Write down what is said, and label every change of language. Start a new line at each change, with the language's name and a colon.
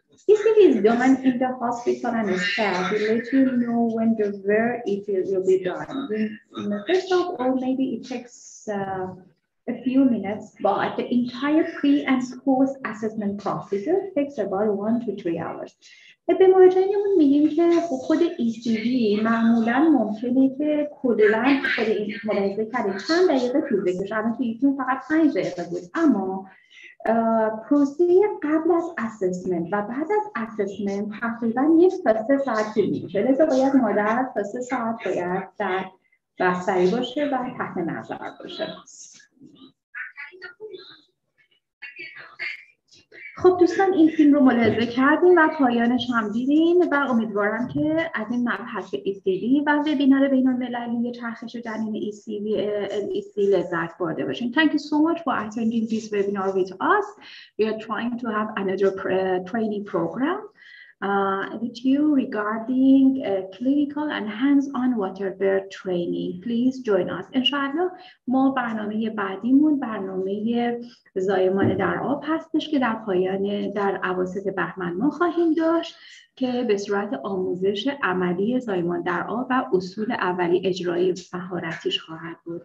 English: ECV is done in the hospital and staff will let you know when the where it will be done. First of all, maybe it takes a few minutes, but the entire pre and post assessment procedure takes about 1 to 3 hours.
Persian: به مراجعینمون میگیم که خود ECV معمولا ممکنه که کلاً خود این ملاحظه کرده چند دقیقه طول بکشه. الان تو ایتون فقط 5 دقیقه بود، اما پروسه قبل از اسسمنت و بعد از اسسمنت تقریبا 1 تا 3 ساعت طول میکشه. لذا باید مادر تا 3 ساعت باید در بستری باشه و تحت نظر باشه. خب دوستان این فیلم رو ملاحظه کردیم و پایانش هم دیدیم و امیدوارم که از این مبحث ECV و وبینار بین المللی چرخش جنین ECV لذت برده باشین.
English: Thank you so much for attending this webinar with us. We are trying to have another training program with you regarding clinical and hands-on water birth training. Please join us.
Persian: انشاءالله ما برنامه بعدیمون برنامه زایمان در آب هستش که در پایان در اواسط بهمن ما خواهیم داشت که به صورت آموزش عملی زایمان در آب و اصول اولی اجرایی مهارتیش خواهد بود.